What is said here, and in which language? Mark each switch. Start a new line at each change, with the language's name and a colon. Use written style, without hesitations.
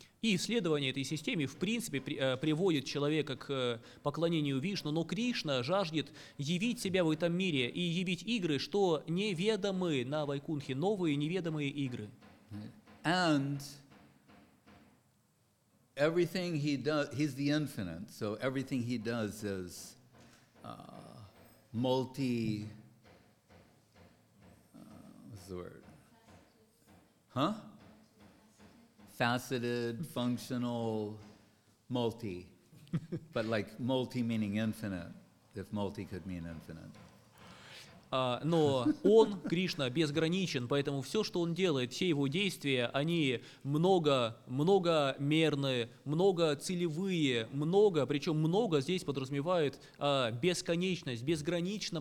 Russian: И исследование этой системы, в принципе, приводит человека к поклонению Вишну, но Кришна жаждет явить себя в этом мире и явить игры, что неведомые на Вайкунхе, новые неведомые игры.
English: And everything he does, he's the infinite, so everything he does is multi, what's the word? Huh? faceted, functional, multi. But like multi meaning infinite, if multi could mean infinite.
Russian: Но он, Кришна, безграничен, поэтому все, что он делает, все его действия, они многомерные, многоцелевые, много, причем много здесь подразумевает бесконечность, безгранично